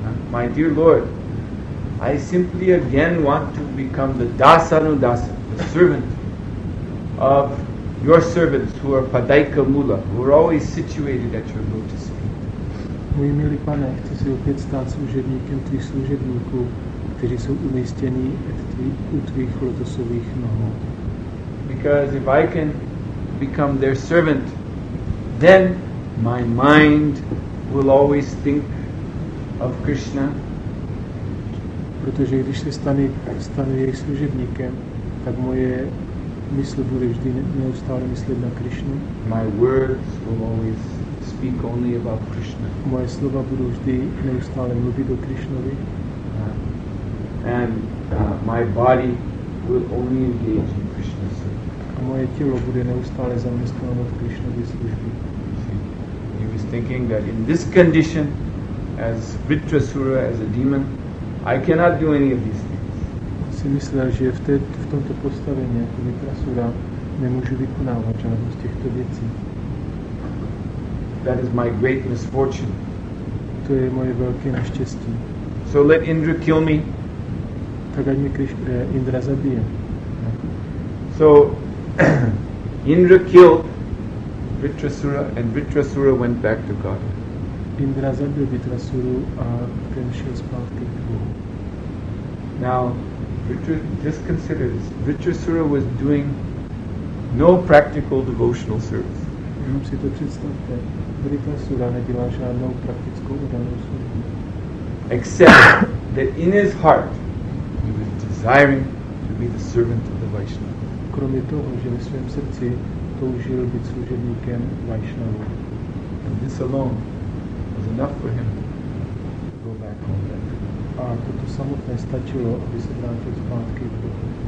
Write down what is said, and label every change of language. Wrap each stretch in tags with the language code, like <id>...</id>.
<en>My dear Lord, I simply again want to become the dasanu dasa, the servant of your servants who are padaika mula, who are always situated at your lotus feet.</en> <cs>Můj milý pane, chci se opět stát služebníkem tvých služebníků, kteří jsou umístěni u tvých lotosových nohou.</cs> <en>Because if I can become their servant, then my mind will always think of Krishna.</en> <cs>Protože když se stane jejich služebníkem, tak moje mysl bude vždy neustále myslet na Krishnu.</cs> <en>My words will always speak only about Krishna.</en> <cs>Moje slova budou vždy neustále mluvit o Krishnovi.</cs> <en>And my body will only engage in Krishna's service.</en> <cs>A moje tělo bude neustále zaměstnáno v Krishnově službě.</cs> <en>He was thinking that in this condition, as Vritrasura, as a demon, I cannot do any of these things.</en> <cs>Si myslel, že v tomto postavení jako Vritrasura nemůžu vykonávat žádnou z těchto věcí.</cs> <en>That is my great misfortune.</en> <cs>To je moje velké neštěstí.</cs> <en>So let Indra kill me.</en> <cs>Tak ať mě Indra zabije.</cs> <en>So Indra killed Vritrasura and Vritrasura went back to God.</en> <cs>Indra zabil Vritrasuru a ten šel zpátky k Bohu.</cs> <en>Now just consider this. Vritrasura was doing no practical devotional service.</en> <cs>Jenom si to představte. Vritrasura nedělá žádnou praktickou oddanou službu.</cs> <en>Except that in his heart he was desiring to be the servant of the Vaishnava.</en> <cs>Kromě toho, že ve svém srdci toužil být služebníkem Vaishnava.</cs> <en>And this alone was enough for him.</en> <cs>A toto samotné stačilo, aby se vrátil zpátky k Bohu.</cs>